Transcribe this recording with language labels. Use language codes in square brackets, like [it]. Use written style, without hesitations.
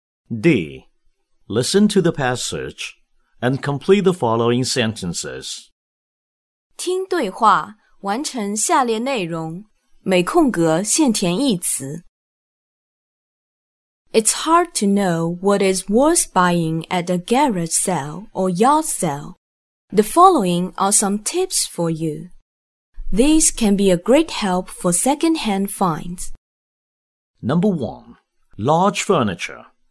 [en] D. Listen to the passage and complete the following sentences. [zh] 听对话，完成下列内容，每空格限填一词。 [en] It's hard to know what is worth buying at a garage sale or yard sale. The following are some tips for you. These can be a great help for second-hand finds. Number 1. Large furniture.